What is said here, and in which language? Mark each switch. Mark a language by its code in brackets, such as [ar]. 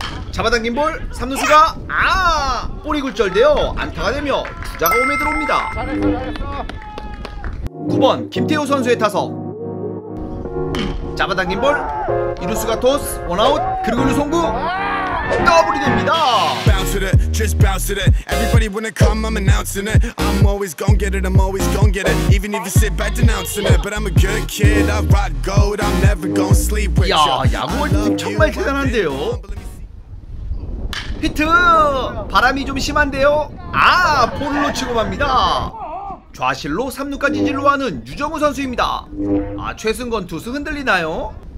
[ko] 잡아당긴 볼 3루수가 아 볼이 굴절되어 안타가 되며 주자가 홈에 들어옵니다. 9번 김태우 선수의 타석 잡아당긴 볼 2루수가 토스 원아웃 그리고 1루 송구 더블이 됩니다. [en] Just bounce it. Everybody wanna come, I'm announcing it. I'm always gon' get it, I'm always gon' get it. Even if you sit back denouncing it. But I'm a good kid, I rock gold. I'm never gon' sleep with ya. [ko] 야, 야구월드 정말 대단한데요. 히트! 바람이 좀 심한데요. 아, 볼을 놓치고 맙니다. 좌실로 3루까지 진루하는 유정우 선수입니다. 아, 최승건 투수 흔들리나요?